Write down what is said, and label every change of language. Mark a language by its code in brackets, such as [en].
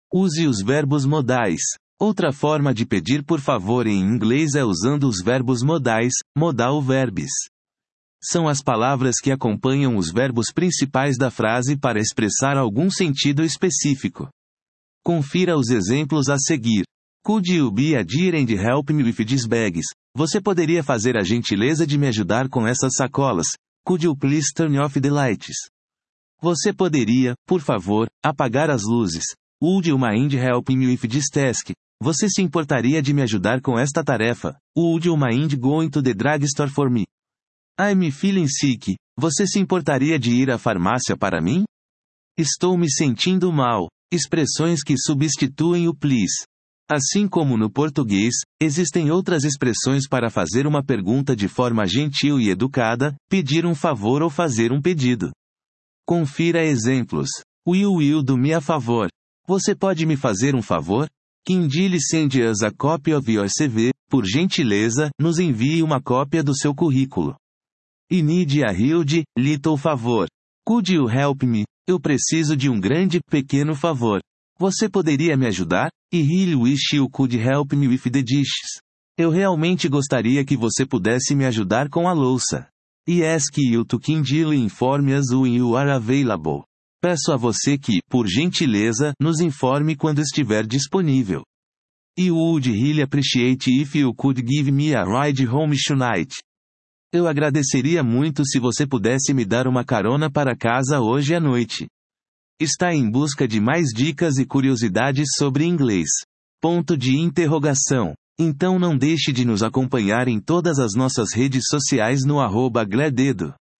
[pt] Use os verbos modais. Outra forma de pedir por favor em inglês é usando os verbos modais, modal verbs. São as palavras que acompanham os verbos principais da frase para expressar algum sentido específico. Confira os exemplos a seguir. [en] Could you be a dear and help me with these bags? [pt] Você poderia fazer a gentileza de me ajudar com essas sacolas? [en] Could you please turn off the lights? [pt] Você poderia, por favor, apagar as luzes? [en] Would you mind helping me with this task? [pt] Você se importaria de me ajudar com esta tarefa? [en] Would you mind going to the drugstore for me? I'm feeling sick. [pt] Você se importaria de ir à farmácia para mim? Estou me sentindo mal. Expressões que substituem o please. Assim como no português, existem outras expressões para fazer uma pergunta de forma gentil e educada, pedir um favor ou fazer um pedido. Confira exemplos. [en] Will do me a favor? [pt] Você pode me fazer um favor? [en] Kindly send us a copy of your CV, [pt] por gentileza, nos envie uma cópia do seu currículo. [en] I need a huge, little favor. Could you help me? [pt] Eu preciso de um grande, pequeno favor. Você poderia me ajudar? [en] I really wish you could help me with the dishes. [pt] Eu realmente gostaria que você pudesse me ajudar com a louça. [en] I ask you to kindly inform us when you are available. [pt] Peço a você que, por gentileza, nos informe quando estiver disponível. [en] I would really appreciate if you could give me a ride home tonight. [pt] Eu agradeceria muito se você pudesse me dar uma carona para casa hoje à noite. Está em busca de mais dicas e curiosidades sobre inglês. Ponto de interrogação. Então não deixe de nos acompanhar em todas as nossas redes sociais no @glededo.